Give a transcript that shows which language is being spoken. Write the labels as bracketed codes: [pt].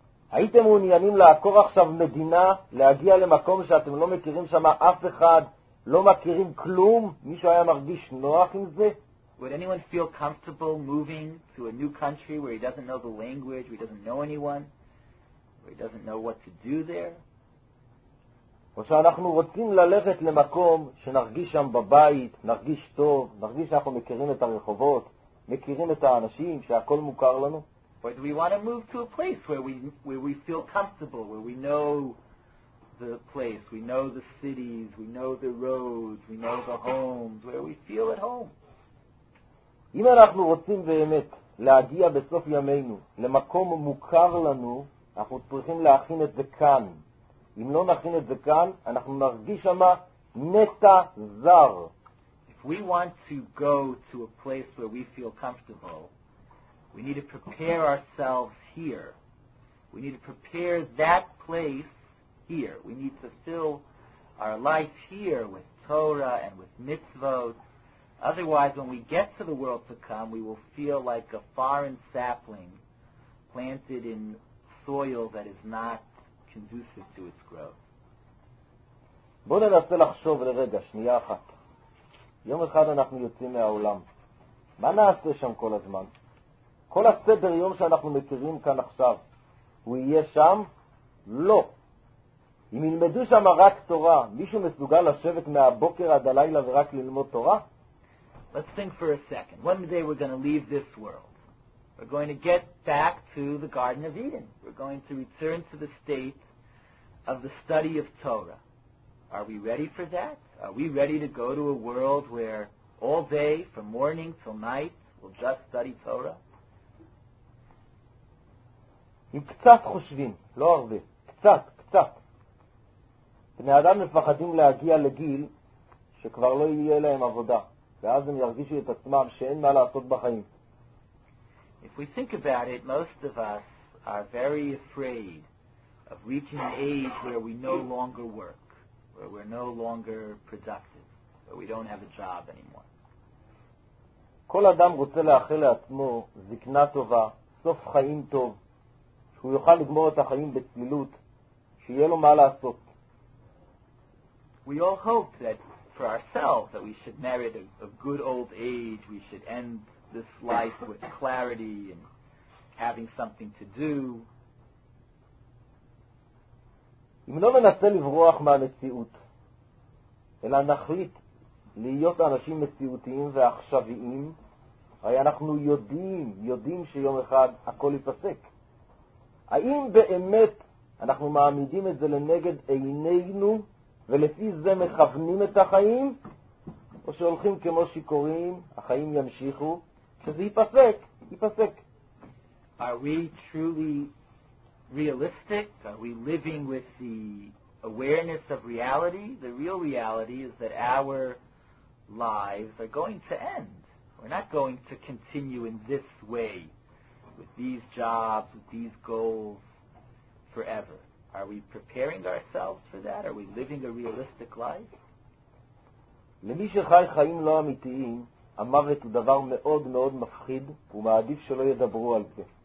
[he] הייתם מעוניינים לעקור עכשיו מדינה, להגיע למקום שאתם לא מכירים שם אף אחד, לא מכירים כלום? מישהו היה מרגיש נוח עם זה? [en] Would anyone feel comfortable moving to a new country where he doesn't know the language, where he doesn't know anyone, where he doesn't know what to do there? [he] או שאנחנו רוצים ללכת למקום שנרגיש שם בבית, נרגיש טוב, נרגיש שאנחנו מכירים את הרחובות, מכירים את האנשים, שהכל מוכר לנו? [en] Or do we want to move to a place where we feel comfortable, where we know the place, we know the cities, we know the roads, we know the homes, where we feel at home? [he] אם אנחנו רוצים באמת להגיע בסוף ימינו למקום מוכר לנו, אנחנו צריכים להכין את זה כאן. אם לא נכין את זה כאן, אנחנו נרגיש שם נטע זר. [en] If we want to go to a place where we feel comfortable, we need to prepare ourselves here. We need to prepare that place here. We need to fill our life here with Torah and with mitzvot. Otherwise, when we get to the world to come, we will feel like a foreign sapling planted in soil that is not conducive to its growth. [he] בוא ננסה לחשוב לרגע, שנייה אחת. יום אחד אנחנו יוצאים מהעולם. מה נעשה שם כל הזמן? כל הסדר יום שאנחנו מכירים כאן עכשיו, הוא יהיה שם? לא. אם ילמדו שם רק תורה, מישהו מסוגל לשבת מהבוקר עד הלילה ורק ללמוד תורה? [en] Let's think for a second. One day we're going to leave this world. We're going to get back to the Garden of Eden. We're going to return to the state of the study of Torah. Are we ready for that? Are we ready to go to a world where all day, from morning till night, we'll just study Torah? [he] עם קצת חושבים, לא הרבה, קצת. בני אדם מפחדים להגיע לגיל שכבר לא יהיה להם עבודה, ואז הם ירגישו את עצמם שאין מה לעשות בחיים. [en] If we think about it, most of us are very afraid of reaching an age where we no longer work, where we're no longer productive, where we don't have a job anymore. [he] כל אדם רוצה לאחל לעצמו זקנה טובה, סוף חיים טוב, שהוא יוכל לגמור את החיים בצלילות, שיהיה לו מה לעשות. [en] We all hope that for ourselves that we should merit a good old age, we should end this life with clarity and having something to do. [he] אם לא מנסה לברוח מהמציאות, אלא נחליט להיות אנשים מציאותיים ועכשוויים, הרי אנחנו יודעים שיום אחד הכל יפסק. האם באמת אנחנו מעמידים את זה לנגד עינינו ולפי זה מכוונים את החיים, או שהולכים כמו שיקורים, החיים ימשיכו, שזה ייפסק, ייפסק? [en] Are we truly realistic? Are we living with the awareness of reality? The real reality is that our lives are going to end. We're not going to continue in this way, with these jobs, with these goals, forever. Are we preparing ourselves for that? Are we living a realistic life? [he] למי שחי חיים לא אמיתיים, המוות הוא דבר מאוד מאוד מפחיד, ומעדיף שלא ידברו על זה.